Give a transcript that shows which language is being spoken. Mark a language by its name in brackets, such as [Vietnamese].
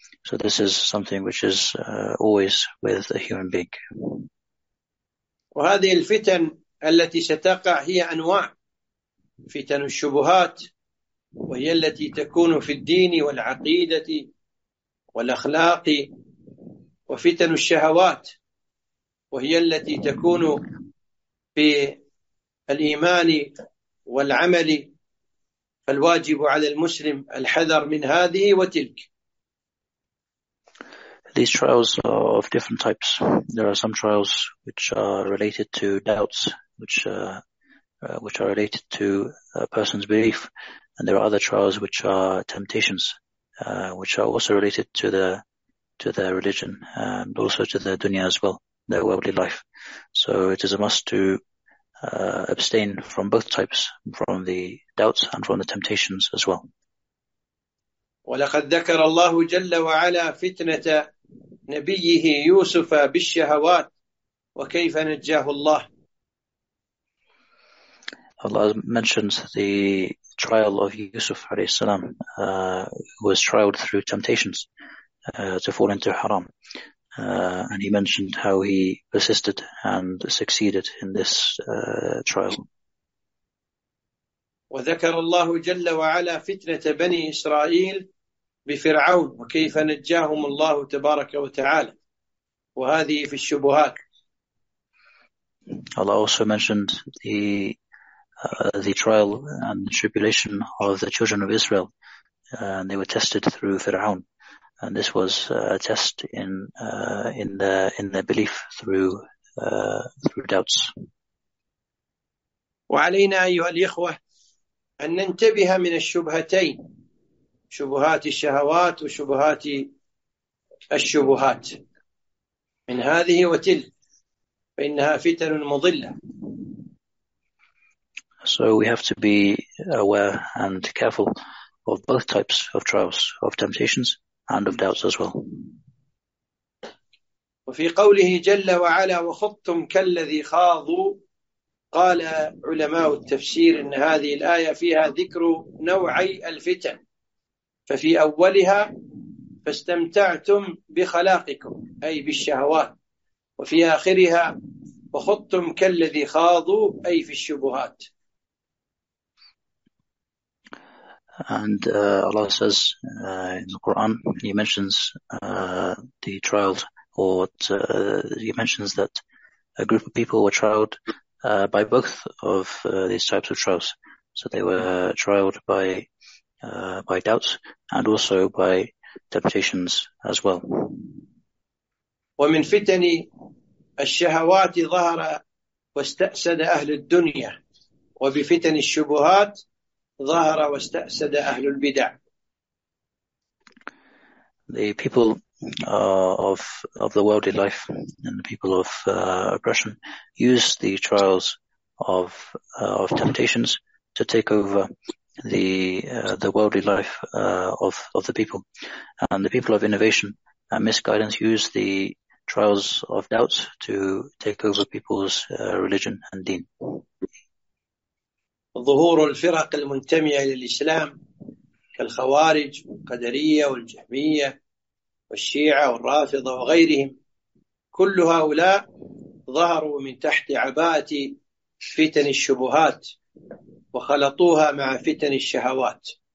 [English] So this is something which is always with a human being. [Arabic] وهذه الفتن التي ستقع هي أنواع، فتن الشبهات وهي التي تكون في الدين والعقيدة والأخلاق، وفتن الشهوات وهي التي تكون في الإيمان والعمل، فالواجب على المسلم الحذر من هذه وتلك. [English] These trials are of different types. There are some trials which are related to doubts, which are related to a person's belief. And there are other trials which are temptations, which are also related to their religion, and also to their dunya as well, their worldly life. So it is a must to abstain from both types, from the doubts and from the temptations as well. [Arabic] ولقد ذكر الله جل وعلا فتنة نبيه يوسف بالشهوات وكيف نجاه الله. [English] Allah mentions the trial of Yusuf alayhi salam, who was trialed through temptations to fall into haram. And he mentioned how he persisted and succeeded in this trial. [Arabic] وذكر الله جل وعلا فتنة بني إسرائيل بفرعون وكيف نجاهم الله تبارك وتعالى. وهذه في الشبهات. [English] Allah also mentioned the trial and the tribulation of the children of Israel, and they were tested through Fir'aun, and this was a test in their belief through doubts. [Arabic] وعلينا أيها الإخوة أن ننتبه من الشبهتين، شبهات الشهوات وشبهات الشبهات، من هذه وتلك، فإنها فتن مضلة. [English] So we have to be aware and careful of both types of trials, of temptations and of doubts as well. [Arabic] وفي قوله جل وعلا وخضتم كالذي خاضوا، قال علماء التفسير أن هذه الآية فيها ذكر نوعي الفتن، ففي أولها فاستمتعتم بخلاقكم أي بالشهوات، وفي آخرها وخضتم كالذي خاضوا أي في الشبهات. [English] And Allah says in the Quran, He mentions the trials, or He mentions that a group of people were trialed by both of these types of trials. So they were trialed by doubts and also by temptations as well. [Arabic] ومن فتن الشهوات ظهر واستأسد أهل الدنيا، وبفتن الشبهات ظهر واستأسد أهل البدع. [English] The people of the worldly life and the people of aggression use the trials of temptations to take over the worldly life of the people, and the people of innovation and misguidance use the trials of doubts to take over people's religion and deen. [Arabic] ظهور الفرق المنتمية للإسلام كالخوارج والقدرية والجهمية والشيعة والرافضة وغيرهم، كل هؤلاء ظهروا من تحت عباءة فتن الشبهات وخلطوها مع فتن الشهوات.